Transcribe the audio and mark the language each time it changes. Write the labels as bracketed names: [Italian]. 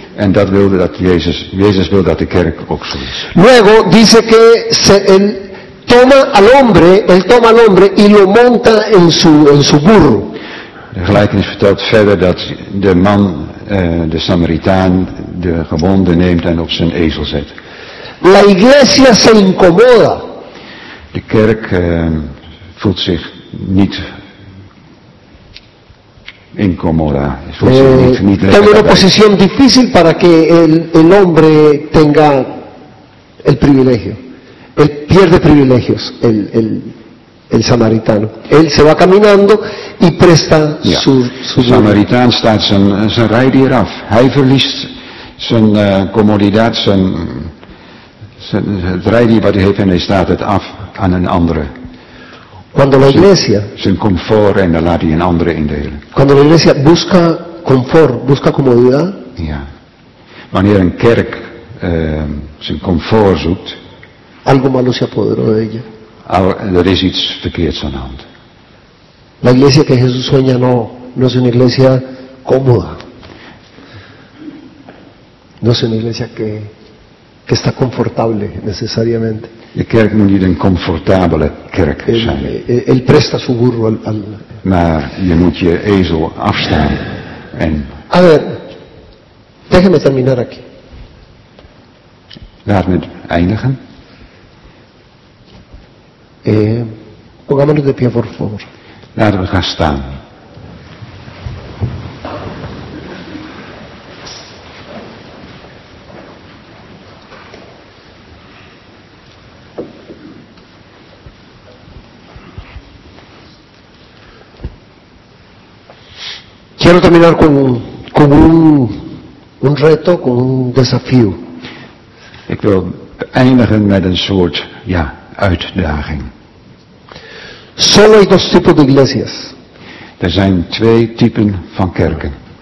[Dutch] En dat wilde dat Jezus wil dat de kerk ook zo is. [Spanish] Luego dice que él toma al hombre y lo monta en su burro. [Dutch] De gelijkenis vertelt verder dat de man, de Samaritaan, de gewonde neemt en op zijn ezel zet. [Spanish] La iglesia se incomoda. [Dutch] De kerk voelt zich niet incomoda. [Spanish] Toma una posición difícil para que el hombre tenga el privilegio. Él pierde privilegios, el samaritano. Él se va caminando y presta su [Dutch] samaritaan staat zijn rijdier af. Hij verliest zijn comodidad, zijn het rijdier wat hij heeft en hij staat het af aan een andere. [Spanish] Cuando la iglesia [Dutch] zijn comfort en dan laat hij een andere indelen. [Spanish] Cuando la iglesia busca confort, busca comodidad. [Dutch] Ja. Wanneer een kerk zijn comfort zoekt. [Spanish] Algo malo se apoderó de ella. [Dutch] Er is iets verkeerds aan de hand. [Spanish] La iglesia que Jesús sueña no es una iglesia cómoda. No es una iglesia que está confortable necesariamente. [Dutch] De kerk moet niet een comfortabele kerk zijn. [Spanish] El presta su burro al. [Dutch] Maar je moet je ezel afstaan. En. [Spanish] A ver, déjeme terminar aquí. [Dutch] Laat me eindigen. [Spanish] Pongámonos de pie, por favor. [Dutch] Laten we gaan staan. [Spanish] Quiero terminar con un reto, con un desafío. [Dutch] Ik wil eindigen met een soort, ja, uitdaging. [Spanish] Solo hay dos tipos de iglesias. [Dutch] Er zijn twee typen van kerken.